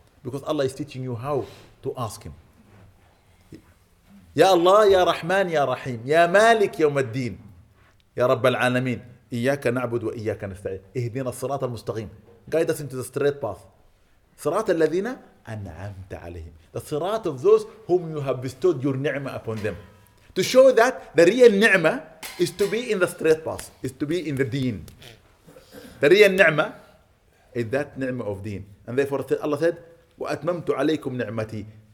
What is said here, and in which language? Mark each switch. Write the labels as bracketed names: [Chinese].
[English] Because Allah is teaching you how to ask Him. [Arabic] يا الله يا رحمن يا رحيم يا مالك يوم الدين يا رب العالمين إياك نعبد وإياك نستعين اهدنا الصراط المستقيم. [English] Guide us into the straight path. [Arabic] صراط الذين أنعمت عليهم. [English] The sirat of those whom you have bestowed your ni'mah upon them. To show that the real ni'mah is to be in the straight path, is to be in the deen. The real ni'mah is that ni'mah of deen. And therefore Allah said, [Arabic] وَأَتْمَمْتُ عَلَيْكُمْ نِعْمَتِي.